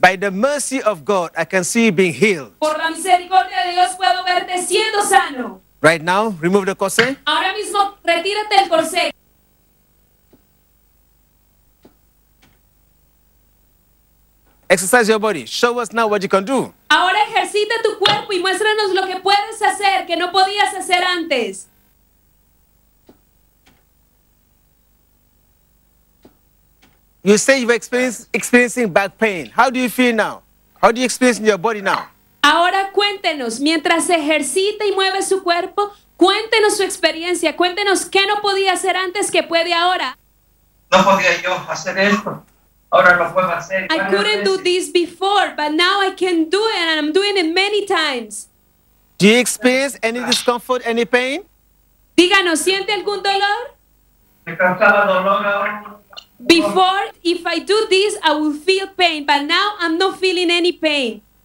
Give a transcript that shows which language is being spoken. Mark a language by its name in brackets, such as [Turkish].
[English] By the mercy of God, I can see you being healed. [Spanish] Por la misericordia de Dios puedo verte siendo sano. [English] Right now, remove the corset. [Spanish] Ahora mismo, retírate el corset. [English] Exercise your body. Show us now what you can do. [Spanish] Ahora ejercita tu cuerpo y muéstranos lo que puedes hacer que no podías hacer antes. [English] You say you were experiencing back pain. How do you feel now? How do you experience in your body now? [Spanish] Ahora cuéntenos, mientras ejercita y mueve su cuerpo, cuéntenos su experiencia. Cuéntenos qué no podía hacer antes que puede ahora. No podía yo hacer esto. Ahora lo puedo hacer. [English] I couldn't do this before, but now I can do it, and I'm doing it many times. Do you experience any discomfort, any pain? [Spanish] Díganos, ¿siente algún dolor? Me causaba dolor ahora. [English] Before, if I do this, I will feel pain, but now I'm not feeling any pain.